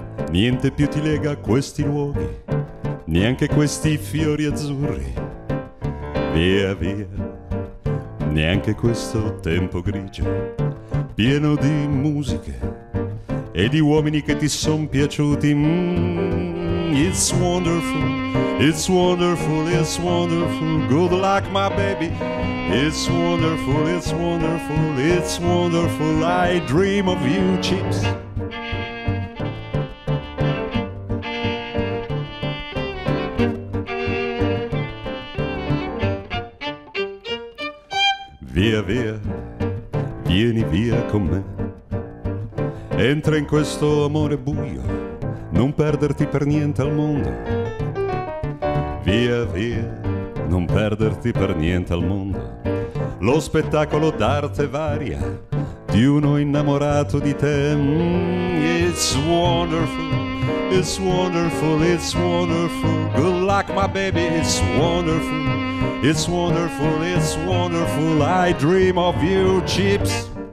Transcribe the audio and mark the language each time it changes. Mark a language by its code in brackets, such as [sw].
[it] Niente più ti lega a questi luoghi, neanche questi fiori azzurri. Via, via, neanche questo tempo grigio, pieno di musiche e di uomini che ti son piaciuti. [en] It's wonderful, it's wonderful, it's wonderful, good luck my baby. It's wonderful, it's wonderful, it's wonderful, I dream of you, chips. [it] Via, via, vieni via con me. Entra in questo amore buio, non perderti per niente al mondo. Via, via, non perderti per niente al mondo. Lo spettacolo d'arte varia di uno innamorato di te. [en] It's wonderful, it's wonderful, it's wonderful. Good luck, my baby, it's wonderful. It's wonderful, it's wonderful, I dream of you, chips.